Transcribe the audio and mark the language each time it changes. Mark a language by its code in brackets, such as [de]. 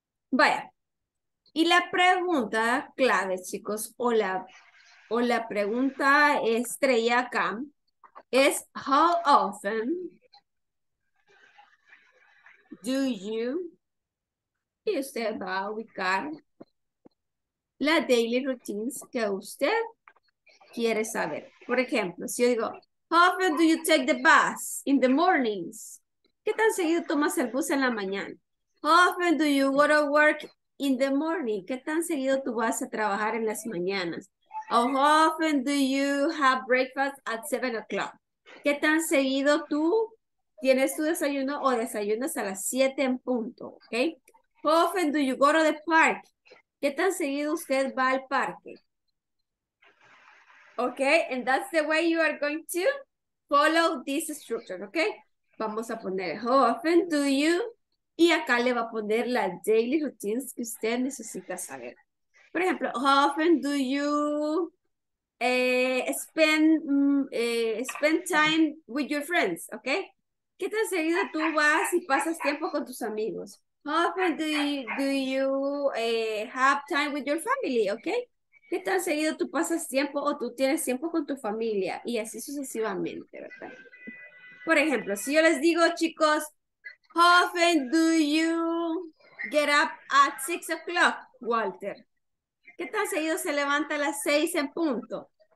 [es] Vaya, y la pregunta clave, chicos, o la pregunta estrella acá es: [en] How often do you? [es] Y usted va a ubicar las daily routines que usted quiere saber. Por ejemplo, si yo digo: [en] How often do you take the bus in the mornings? [es] ¿Qué tan seguido tomas el bus en la mañana? [en] How often do you go to work in the morning? [es] ¿Qué tan seguido tú vas a trabajar en las mañanas? [en] How often do you have breakfast at 7 o'clock? [es] ¿Qué tan seguido tú tienes tu desayuno o desayunas a las 7 en punto? [en] ¿Okay? How often do you go to the park? [es] ¿Qué tan seguido usted va al parque? [en] Okay, and that's the way you are going to follow this structure, okay? [es] Vamos a poner, [en] how often do you, [es] y acá le va a poner las daily routines que usted necesita saber. Por ejemplo, [en] how often do you spend time with your friends, okay? [es] ¿Qué tan seguido tú vas y pasas tiempo con tus amigos? [en] How often do you have time with your family, okay? [es] ¿Qué tan seguido tú pasas tiempo o tú tienes tiempo con tu familia? Y así sucesivamente, ¿verdad? Por ejemplo, si yo les digo, chicos, [en] how often do you get up at 6 o'clock, [es] Walter? ¿Qué tan seguido se levanta a las 6 en punto?